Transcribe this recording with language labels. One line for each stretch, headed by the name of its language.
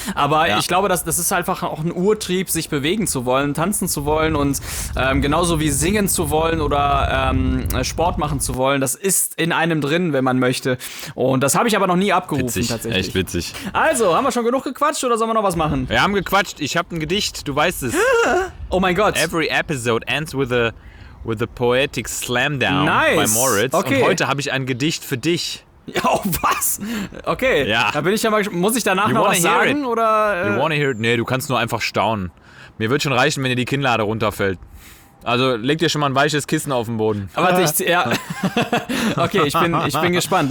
German: Aber ich glaube, das ist einfach auch ein Urtrieb, sich bewegen zu wollen, tanzen zu wollen und genauso wie singen zu wollen oder Sport machen zu wollen. Das ist in einem drin, wenn man möchte. Und das habe ich aber noch nie abgerufen, witzig. Tatsächlich. Echt witzig. Also, haben wir schon genug gequatscht oder sollen wir noch was machen? Wir haben gequatscht. Ich habe ein Gedicht. Du weißt es. Oh mein Gott.
English: Every episode ends with a poetic slamdown by Moritz.
German: Okay. Und heute habe ich ein Gedicht für dich. Oh, was? Okay. Ja. Da bin ich ja mal gespannt. Muss ich danach noch was sagen? Oder,
English: You wanna hear it?
German: Nee, du kannst nur einfach staunen. Mir wird schon reichen, wenn dir die Kinnlade runterfällt. Also leg dir schon mal ein weiches Kissen auf den Boden. Aber warte, okay, ich bin gespannt.